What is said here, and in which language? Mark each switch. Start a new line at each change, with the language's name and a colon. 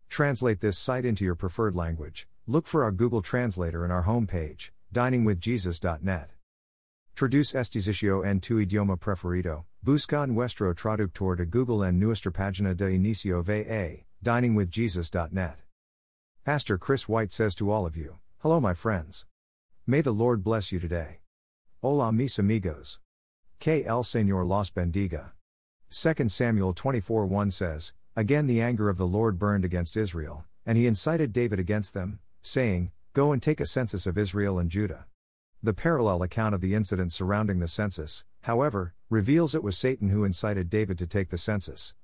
English: Translate this site into your preferred language. Look for our Google Translator in our homepage, diningwithjesus.net.
Spanish: Traduce este sitio en tu idioma preferido. Busca nuestro traductor de Google en nuestra página de inicio VA, diningwithjesus.net.
English: Pastor Chris White says to all of you, hello my friends. May the Lord bless you today.
Spanish: Hola mis amigos. Que el Señor los bendiga.
English: 2 Samuel 24:1 says, again the anger of the Lord burned against Israel, and he incited David against them, saying, go and take a census of Israel and Judah. The parallel account of the incident surrounding the census, however, reveals it was Satan who incited David to take the census.